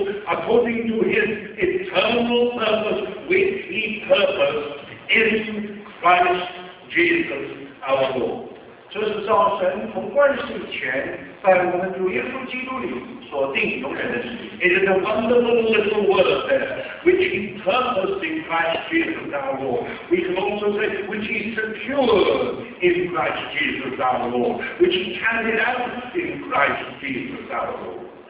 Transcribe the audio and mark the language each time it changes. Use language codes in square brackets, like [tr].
[en] According to his eternal purpose, which he purposed in Christ Jesus our Lord. [zh] 这是造神从万事前在我们主耶稣基督里所定永远的旨意。 [en] It is a wonderful little word there, which he purposed in Christ Jesus our Lord. We can also say, which he secured in Christ Jesus our Lord, which he carried out in Christ Jesus our Lord.